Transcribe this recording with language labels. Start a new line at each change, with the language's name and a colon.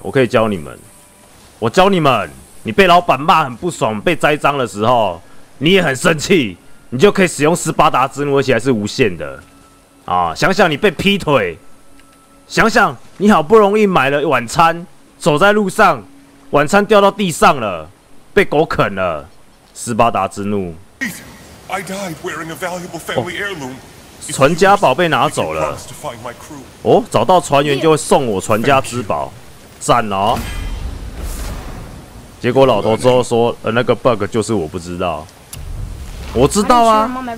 Chinese: 我可以教你们，我教你们，你被老板骂很不爽，被栽赃的时候，你也很生气，你就可以使用斯巴达之怒，而且还是无限的。啊，想想你被劈腿，想想你好不容易买了晚餐，走在路上，晚餐掉到地上了，被狗啃了，斯巴达之怒。
English: I died wearing a valuable family heirloom.
Chinese: 船家宝贝拿走了。哦，找到船员就会送我船家之宝，赞哦。结果老头之后说，那个 bug 就是我不知道。我知道啊。